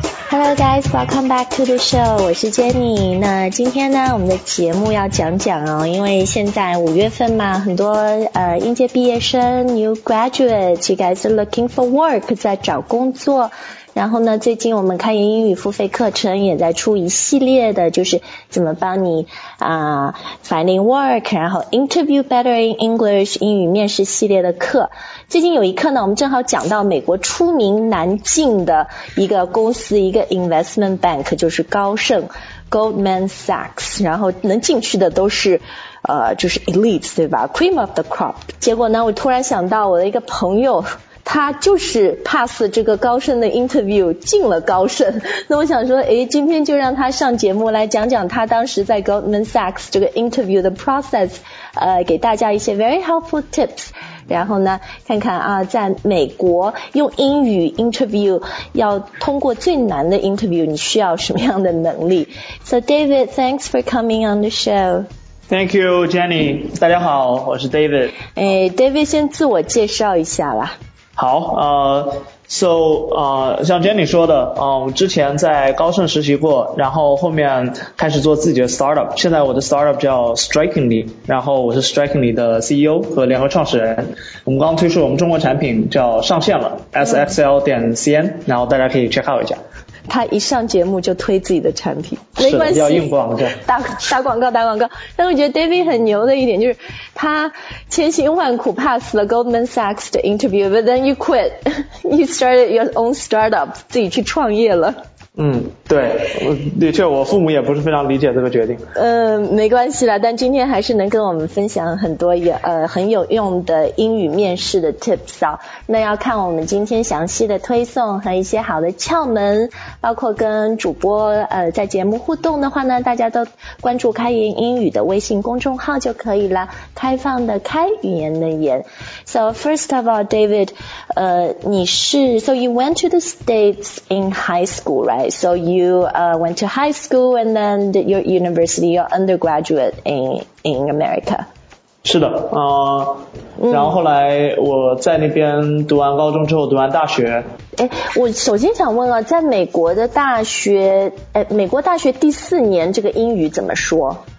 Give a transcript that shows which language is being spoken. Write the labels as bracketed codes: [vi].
[en] Hello guys, welcome back to the show. [zh] 我是 Jenny. 那今天呢我们的节目要讲讲哦，因为现在五月份嘛，很多应届毕业生 [en] new graduates, you guys are looking for work, [zh] 在找工作。然后呢最近我们开言英语付费课程也在出一系列的，就是怎么帮你 [en] finding work, [zh] 然后 [en] interview better in English, [zh] 英语面试系列的课。最近有一课呢，我们正好讲到美国出名难进的一个公司，一个 [en] investment bank, [zh] 就是高盛 Goldman Sachs, 然后能进去的都是就是 elites, 对吧， [en] cream of the crop。 [zh] 结果呢我突然想到我的一个朋友，他就是 pass 这个高盛的 interview 进了高盛。那我想说诶，今天就让他上节目来讲讲他当时在 Goldman Sachs 这个 interview 的 process, 给大家一些 [en] very helpful tips。 [zh] 然后呢看看啊，在美国用英语 interview 要通过最难的 interview 你需要什么样的能力。 [en] So David, thanks for coming on the show. Thank you, Jenny. [zh] 大家好，我是 David. 哎 ,David 先自我介绍一下啦。好，像 Jenny 说的，我之前在高盛实习过，然后后面开始做自己的 startup, 现在我的 startup 叫 Strikingly, 然后我是 Strikingly 的 CEO 和联合创始人。我们刚刚推出我们中国产品叫上线了 ,sxl.cn, 然后大家可以 [en] check out [zh] 一下。他一上节目就推自己的产品，没关系，要硬广告，打广告，打广告。但我觉得 David 很牛的一点就是，他千辛万苦 pass 了 Goldman Sachs 的 interview, [en] but then you quit, you started your own startup, [zh] 自己去创业了。嗯，对，的确我父母也不是非常理解这个决定。没关系啦，但今天还是能跟我们分享很多很有用的英语面试的 tips 啊。那要看我们今天详细的推送和一些好的窍门，包括跟主播在节目互动的话呢，大家都关注开言英语的微信公众号就可以啦，开放的开，语言的言。 [en] So first of all, David, so you went to the States in high school, right? So you went to high school and then your university, your undergraduate in America. [zh] 是的，然后后来我在那边读完高中之后，读完大学。我首先想问啊，在美国的大学，美国大学第四年这个英语怎么说？